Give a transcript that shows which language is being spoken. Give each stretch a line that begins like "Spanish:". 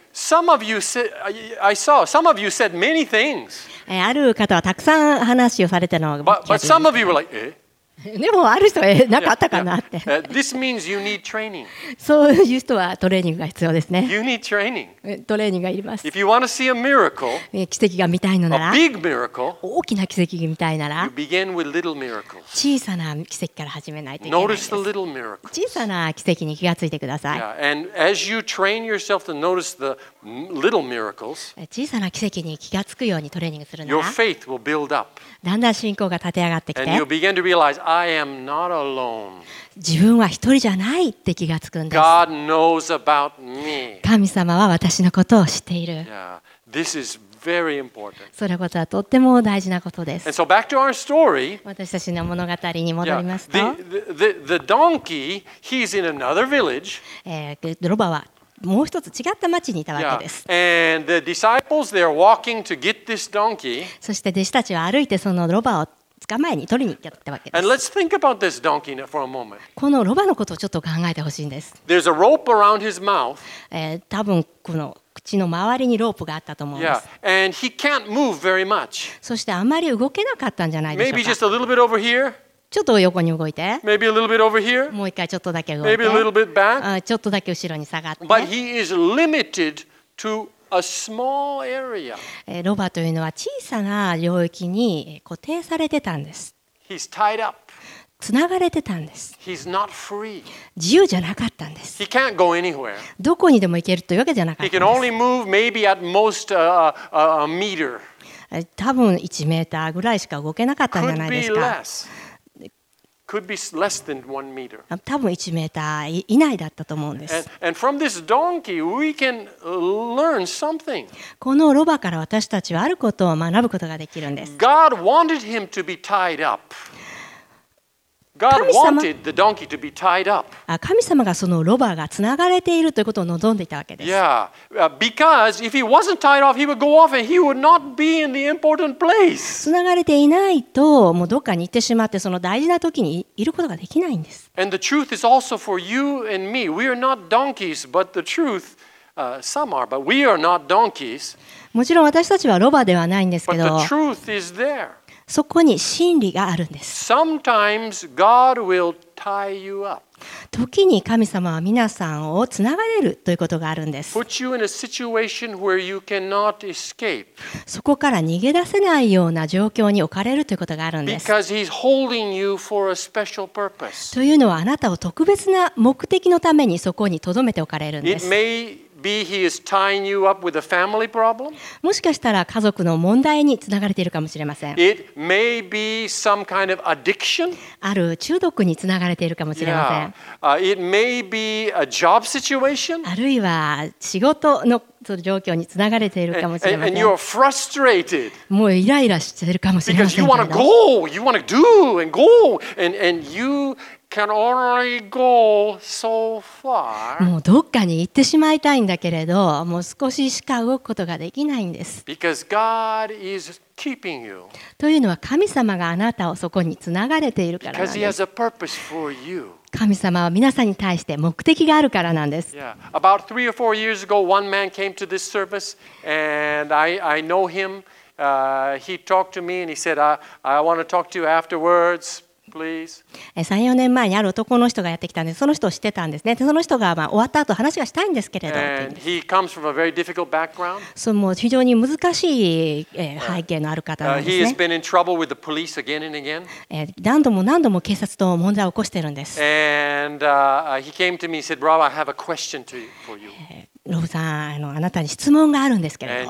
English: Some of you said, I saw some of you said many things.
Japanese: ある方はたくさん話をされてるのが
English: but some of you were like,
Japanese: でもある人は何かあったかなって
English: This means you need training.
Japanese: そういう人はトレーニングが必要ですね
English: you need training.
Japanese: トレーニングがいります
English: If you want to see a miracle,
Japanese: 奇跡が見たいのなら
English: a big miracle,
Japanese: 大きな奇跡が見たいなら
English: you begin with little miracles.
Japanese: 小さな奇跡から始めないといけないです
English: notice the little miracles.
Japanese: 小さな奇跡に気がついてください、
English: yeah. And as you train yourself to notice the little miracles,
Japanese: 小さな奇跡に気がつくようにトレーニングするなら
English: your faith will build up.
Japanese: だんだん信仰が立て上がってきて、
English: And you begin to realize, I am not alone.
Japanese: 自分は一人じゃないって気がつくんです。
English: God knows about me.
Japanese: 神様は私のことを知っている。
English: Yeah. This is very important.
Japanese: それはとっても大事なことです。
English: And so back to our story,
Japanese: 私たちの物語に戻りますと、
English: yeah. the donkey, he's in another village.
Japanese: ロバはもう一つ違った町にいたわけです。
English: Yeah. And the disciples, they're walking to get this donkey.
Japanese: そして弟子たちは歩いてそのロバを捕まえに取りに行ったわけです。
English: And let's think about this donkey for a moment.
Japanese: このロバのことをちょっと考えてほしいんです。
English: There's a rope around his mouth.
Japanese: 多分この口の周りにロープがあったと思うんです。
English: Yeah. And he can't move very much.
Japanese: そしてあまり動けなかったんじゃないでしょうか。
English: Maybe just a little bit over here.
Japanese: ちょっと横に動いて
English: Maybe a little bit over here.
Japanese: もう一回ちょっとだけ動いて
English: Maybe a little bit back.
Japanese: ちょっとだけ後ろに下がって
English: But he is limited to a small area.
Japanese: ロバというのは小さな領域に固定されてたんです
English: He's tied up.
Japanese: つながれてたんです
English: He's not free.
Japanese: 自由じゃなかったんです
English: He can't go anywhere.
Japanese: どこにでも行けるというわけじゃなかったんです
English: He can only move maybe at most a meter.
Japanese: 多分1メーターぐらいしか動けなかったんじゃないですか
English: Could be less than one meter.
Japanese: 多分1メーター以内だったと思うんです。
English: And from this donkey, we can learn something.
Japanese: このロバから私たちはあることを学ぶことができるんです。
English: God wanted him to be tied up. God wanted the donkey to be tied up.
Japanese: 神様がそのロバがつながれているということを望んでいたわけです。
English: Yeah, because if he wasn't tied off, he would go off and he would not be in the important place.
Japanese: つながれていないともうどっかに行ってしまってその大事な時にいることができないんです。
English: And the truth is also for you and me. We are not donkeys, but the truth, some are, but we are not donkeys.
Japanese: もちろん私たちはロバではないんですけど。
English: But the truth is there.
Japanese: そこに真理があるんです。
English: Sometimes God will tie you up.
Japanese: 時に神様は皆さんをつながれるということがあるんです。
English: Put you in a situation where you cannot escape.
Japanese: そこから逃げ出せないような状況に置かれるということがあるんです。
English: Because he's holding you for a special purpose.
Japanese: というのはあなたを特別な目的のためにそこに留めておかれるんです。
English: It may be he is tying you up with a family problem.
Japanese: もしかしたら家族の問題につながれているかもしれません。
English: It may be some kind of addiction.
Japanese: ある中毒につながれているかもしれません。
English: It may be a job situation.
Japanese: あるいは仕事の状況につながれているかもしれません。
English: And you're frustrated.
Japanese: もうイライラしているかもしれません。
English: Because you want to go, you want to do and go and you. Can only go so far.
Japanese: もうどっかに行ってしまいたいんだけれど、もう少ししか動くことができないんです。
English: Because God is keeping you.
Japanese: というのは神様があなたをそこにつながれているからなんです。
English: Because He has a purpose for you.
Japanese: 神様は皆さんに対して目的があるからなんです。
English: Yeah. About three or four years ago, one man came to this service, and I know him. He talked to me, and he said, "I want to talk to you afterwards." please.
Japanese: 3、4年前にある男の人がやってきたんで、その人を知ってたんですね。で、その人がまあ終わった後話がしたいんですけれど。
English: And he comes from a very difficult background.
Japanese: そう、もう非常に難しい背景のある方なんですね。
English: He has been in trouble with the police again and again.
Japanese: 何度も何度も警察と問題を起こしてるんです。
English: And he came to me and said, Rob, I have a question to you, for you.
Japanese: ロブさん、あなたに質問があるんですけれど。